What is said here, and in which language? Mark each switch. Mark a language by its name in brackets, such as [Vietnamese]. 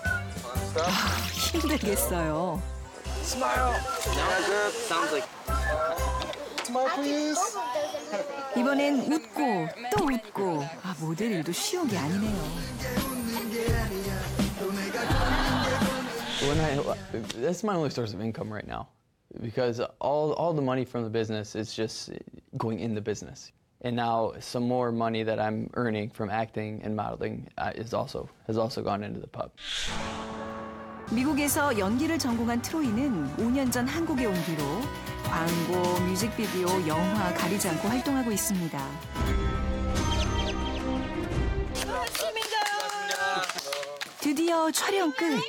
[Korean] Stop. 힘들겠어요. [English] Smile. Sounds good. Sounds like. Smile please. [Korean] 이번엔 웃고 또 웃고. 아, 모델 일도 쉬운 게 아니네요. [English] When I, that's my only source of income right now. Because all the money from the business is just going in the business. And now some more money that I'm earning from acting and modeling has also gone into the pub. [Korean] 미국에서 연기를 전공한 트로이는 5년 전 한국에 온 뒤로 광고, 뮤직비디오, 영화 가리지 않고 활동하고 있습니다. 드디어 촬영 끝!